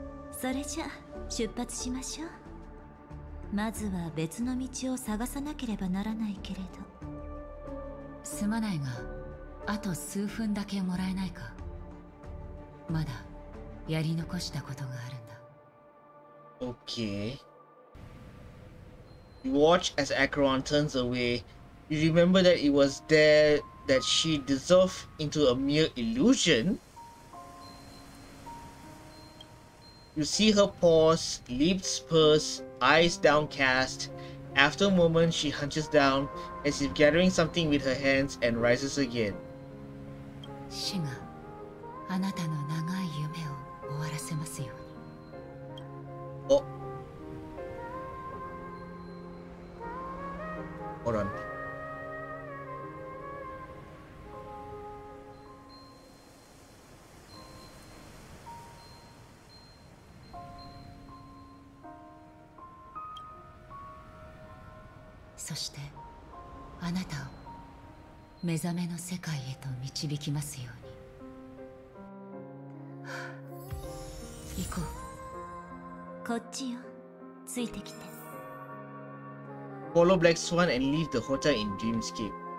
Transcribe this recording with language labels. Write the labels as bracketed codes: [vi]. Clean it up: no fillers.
[ja] それじゃ出発しましょう。まずは別の道を探さなければならないけれど。すまないが、あと数分だけもらえないか。まだやり残したことがあるんだ。 [en] Okay. You watch as Akron turns away. You remember that it was there that she dissolved into a mere illusion. You see her pause, lips pursed, eyes downcast. After a moment, she hunches down as if gathering something with her hands and rises again. Shinga. [ja] あなたの長い夢を終わらせますように。お、ほら、そしてあなたを目覚めの世界へと導きますように。行こう。こっちよ。ついてきて。 [en] Follow Black Swan and leave the hotel in Dreamscape.